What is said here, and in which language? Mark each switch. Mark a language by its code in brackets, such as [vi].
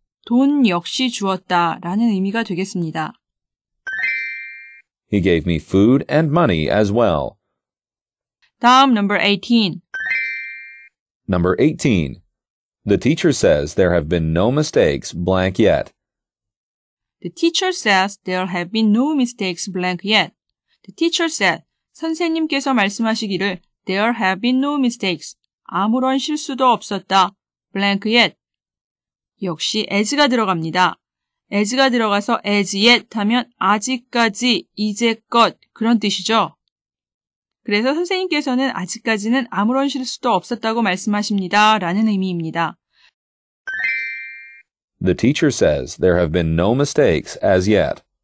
[ko] 돈 역시 주었다 라는 의미가 되겠습니다. [en] He gave me food and money as well. [ko] 다음, [en] number 18. Number 18. The teacher says there have been no mistakes blank yet. The teacher says there have been no mistakes blank yet. The teacher said, [ko] 선생님께서 말씀하시기를 [en] there have been no mistakes. [ko] 아무런 실수도 없었다. [en] blank yet. [ko] 역시 as가 들어갑니다. as가 들어가서 as yet 하면 아직까지, 이제껏 그런 뜻이죠. 그래서 선생님께서는 아직까지는 아무런 실수도 없었다고 말씀하십니다 라는 의미입니다. [en] The teacher says there have been no mistakes as yet.